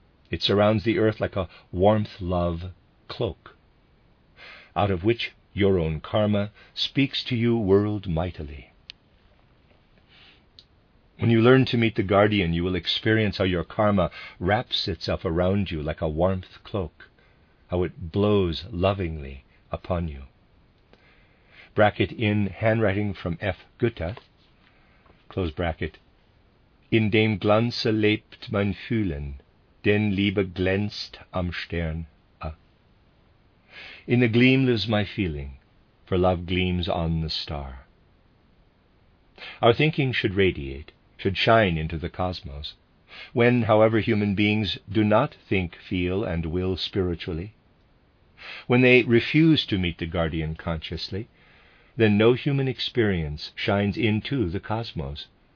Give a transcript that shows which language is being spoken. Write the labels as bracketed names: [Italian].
[English] It surrounds the earth like a warmth love cloak, out of which your own karma speaks to you world mightily. When you learn to meet the guardian, you will experience how your karma wraps itself around you like a warmth cloak, how it blows lovingly upon you. Bracket in handwriting from F. [German] Goethe, [English] close bracket, [German] in dem Glanze lebt mein Fühlen, denn Liebe glänzt am Stern. [English] In the gleam lives my feeling, for love gleams on the star. Our thinking should radiate, should shine into the cosmos. When, however, human beings do not think, feel, and will spiritually, when they refuse to meet the guardian consciously, then no human experience shines into the cosmos.